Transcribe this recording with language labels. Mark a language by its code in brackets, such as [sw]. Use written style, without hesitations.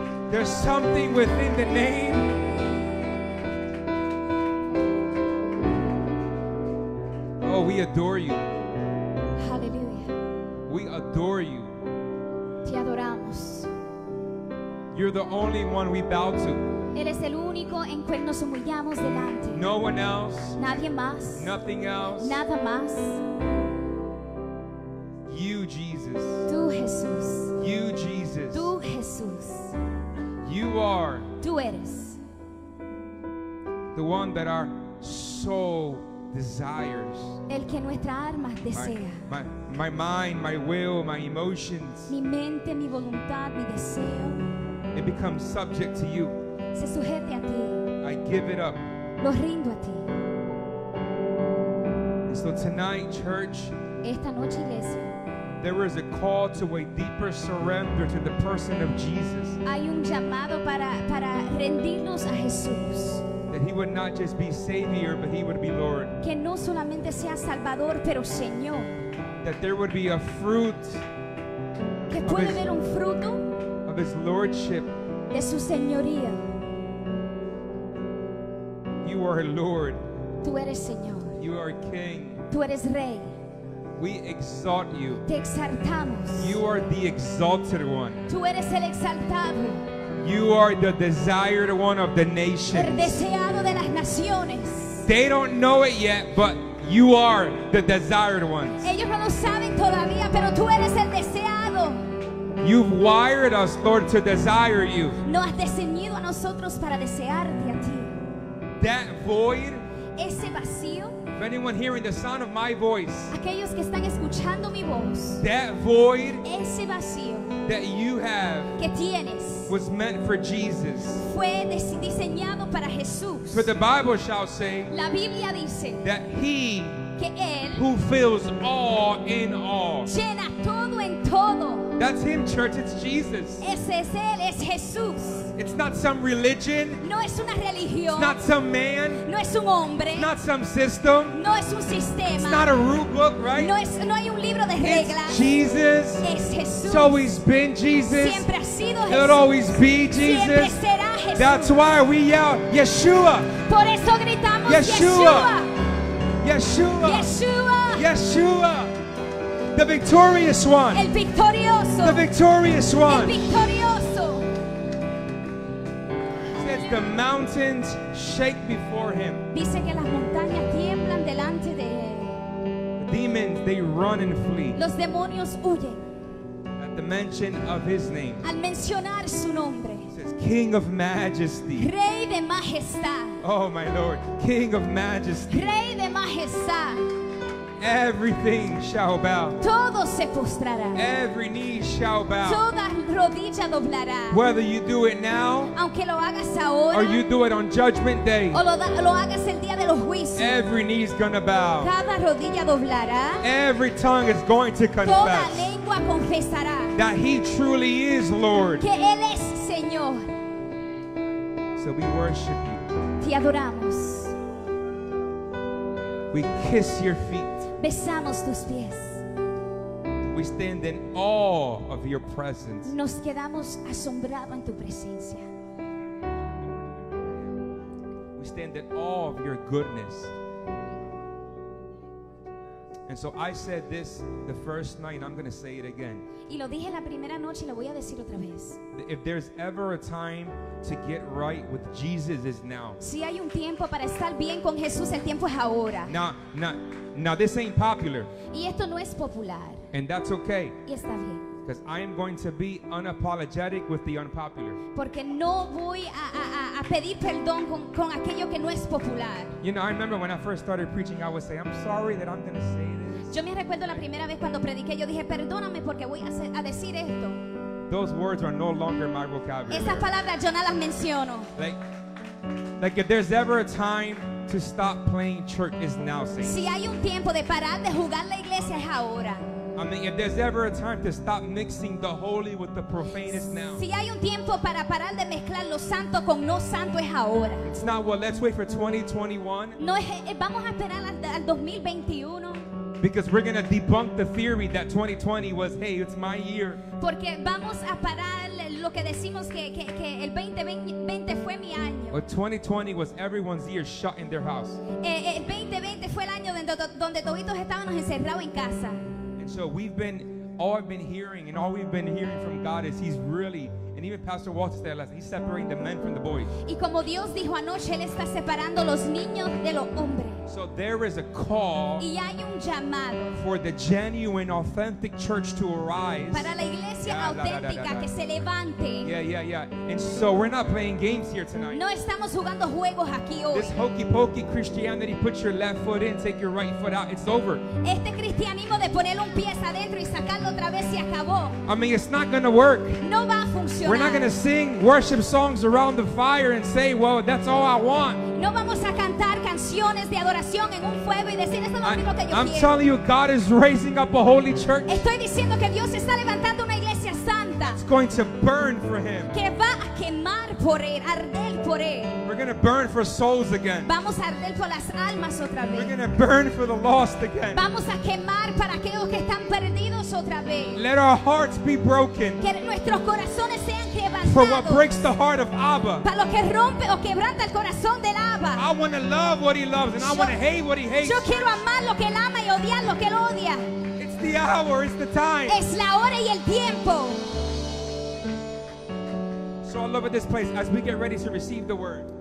[en] There's something within the name. Oh, we adore you. Hallelujah. We adore you. [es] Te adoramos. [en] You're the only one we bow to. [es] Eres el único en quien nos humillamos delante. [en] No one else. [es] Nadie más. [en] Nothing else. [es] Nada más. [en] You, Jesus. [es] Tú, Jesús. [en] You, Jesus. [es] Tú, Jesús. [en] You are. [es] Tú eres. [en] The one that our soul desires. [es] El que nuestra alma desea. [en] My mind, my will, my emotions. [es] Mi mente, mi voluntad, mi deseo. [en] It becomes subject to you. [es] Se sujete a ti. [en] I give it up. [es] Lo rindo a ti. [en] And so tonight, church. [es] Esta noche, iglesia. [en] There is a call to a deeper surrender to the person of Jesus. [es] Hay un llamado para rendirnos a Jesús. [en] That he would not just be Savior, but he would be Lord. [es] Que no solamente sea Salvador, pero Señor. [en] That there would be a fruit. [es] Que puede haber un fruto. [en] Of his lordship. [es] De su señoría. [en] You are Lord. [es] Tú eres Señor. [en] You are King. [es] Tú eres Rey. [en] We exalt you. [es] Te exaltamos. [en] You are the exalted one. [es] Tú eres el exaltado. [en] You are the desired one of the nations. [es] El deseado de las naciones. [en] They don't know it yet, but you are the desired ones. [es] Ellos no lo saben todavía, pero tú eres el deseado. [en] You've wired us, Lord, to desire you. [es] Nos has diseñado a nosotros para desearte a ti. [en] That void. [es] Ese vacío. [en] If anyone hearing the sound of my voice, [es] aquellos que están escuchando mi voz, [en] that void, [es] ese vacío, [en] that you have, [es] que tienes, [en] was meant for Jesus, [es] fue diseñado para Jesús. [en] For the Bible shall say, [es] la Biblia dice, [en] that he, [es] que él, [en] who fills all in all, [es] llena todo en todo. [en] That's him, church, it's Jesus. [es] Ese es él, es Jesús. [en] It's not some religion. [es] No es una religión. [en] It's not some man. [es] No es un hombre. [en] It's not some system. [es] No es un sistema. [en] It's not a rule book, right? [es] No hay un libro de reglas. [en] It's Jesus. [es] Es Jesús. [en] It's always been Jesus. [es] Siempre ha sido Jesús. [en] It'll always be Jesus. [es] Siempre será Jesús. [en] That's why we yell, Yeshua. [es] Por eso gritamos, Yeshua. Yeshua. [en] Yeshua. Yeshua. The victorious one. [es] El victorioso. [en] The victorious one. [es] El victorioso. [en] The mountains shake before him. [es] Dice que las montañas tiemblan delante de él. [en] Demons, they run and flee. [es] Los demonios huyen. [en] At the mention of his name. [es] Al mencionar su nombre. [en] He says, King of Majesty. [es] Rey de majestad. [en] Oh my Lord, King of Majesty. [es] Rey de majestad. [en] Everything shall bow. [es] Todo se postrará. [en] Every knee shall bow. [es] Toda rodilla doblará. [en] Whether you do it now, [es] aunque lo hagas ahora, [en] or you do it on judgment day, [es] o lo hagas el día de los juicios, [en] every knee is going to bow. [es] Cada rodilla doblará. [en] Every tongue is going to confess. [es] Toda lengua confesará. [en] That he truly is Lord. [es] Que él es Señor. [en] So we worship you. [es] Te adoramos. [en] We kiss your feet. [es] Besamos tus pies. [en] We stand in awe of your presence. [es] Nos quedamos asombrados en tu presencia. [en] We stand in awe of your goodness. And so I said this the first night, I'm going to say it again. [es] Y lo dije la primera noche y lo voy a decir otra vez. [en] If there's ever a time to get right with Jesus, is now. [es] Si hay un tiempo para estar bien con Jesús, el tiempo es ahora. [en] Now this ain't popular. [es] Y esto no es popular. [en] And that's okay. [es] Y está bien. [en] Because I am going to be unapologetic with the unpopular. [es] Porque no voy a pedir perdón con aquello que no es popular. [en] You know, I remember when I first started preaching, I would say, I'm sorry that I'm going to say this. [es] Yo me recuerdo la primera vez cuando prediqué, yo dije, perdóname porque voy a decir esto. [en] Those words are no longer my vocabulary. [es] Esas palabras yo no las menciono. [en] Like if there's ever a time to stop playing church, is now, Satan. [es] Si hay un tiempo de parar de jugar la iglesia, es ahora. [en] I mean, if there's ever a time to stop mixing the holy with the profane, it's now. [es] Si hay un tiempo para parar de mezclar lo santo con no santo, es ahora. [en] It's not, well, let's wait for 2021. [es] No, vamos a esperar al 2021. [en] Because we're going to debunk the theory that 2020 was, hey, it's my year. [es] Porque vamos a parar lo que decimos que el 2020 fue mi año. [en] But 2020 was everyone's year shut in their house. [es] El 2020 fue el año donde todos estábamos encerrados en casa. [en] So we've been, all I've been hearing, and all we've been hearing from God is He's really, and even Pastor Walter said last, He's separating the men from the boys. [es] Y como Dios dijo anoche, Él está separando los niños de los hombres. [en] So there is a call, [es] y hay un llamado, [en] for the genuine, authentic church to arise. [es] Para la iglesia auténtica que se levante. [en] Yeah. And so we're not playing games here tonight. [es] No estamos jugando juegos aquí hoy. [en] This hokey pokey Christianity, put your left foot in, take your right foot out, it's over. [es] Este cristianismo de poner un pie adentro y sacarlo otra vez, se acabó. [en] I mean, it's not going to work. [es] No va a funcionar. [en] We're not going to sing worship songs around the fire and say, well, that's all I want. [es] No vamos a cantar canciones de adoración en un fuego y decir, esto es lo único que yo quiero. [en] I'm telling you, God is raising up a holy church. [es] Estoy diciendo que Dios está levantando una iglesia santa. [en] It's going to burn for Him. [es] Que va a quemar por Él, arder por Él. [en] We're going to burn for souls again. [es] Vamos a arder por las almas otra vez. [en] We're going to burn for the lost again. [es] Vamos a quemar para aquellos que están perdidos otra vez. [en] Let our hearts be broken. [es] Que nuestros corazones sean [en] for what breaks the heart of Abba. [es] Para lo que rompe o quebranta el corazón del Abba. [en] I want to love what He loves and I want to hate what He hates. [es] Yo quiero amar lo que Él ama y odiar lo que Él odia. [en] It's the hour, it's the time. [es] Es la hora y el tiempo. [en] So I love at this place, as we get ready to receive the word.